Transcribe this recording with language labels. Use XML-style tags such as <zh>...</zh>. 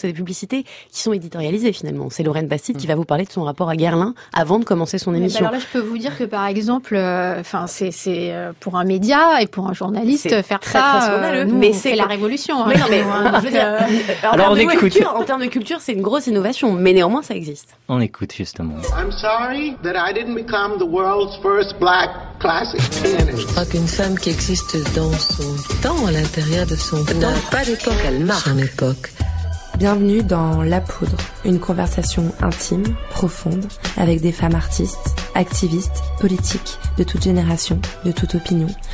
<fr>C'est des publicités qui sont éditorialisées, finalement. C'est Lorraine Bastide qui va vous parler de son rapport à Guerlain avant de commencer son émission. Alors là, je peux vous dire que, par exemple, c'est pour un média et pour un journaliste, c'est faire très, ça, très scandaleux. Nous, mais c'est la révolution. Mais non, mais, alors, on écoute. En termes de culture, c'est une grosse innovation, mais néanmoins, ça existe. On écoute, justement.</fr> <en>I'm sorry that I didn't become the world's first black classic pianist.</en> <fr>Je crois qu'une femme qui existe dans son temps, à l'intérieur de son corps, dans pas d'époque, elle marque. Son époque. Bienvenue dans La Poudre, une conversation intime, profonde, avec des femmes artistes, activistes, politiques, de toute génération, de toute opinion.</fr>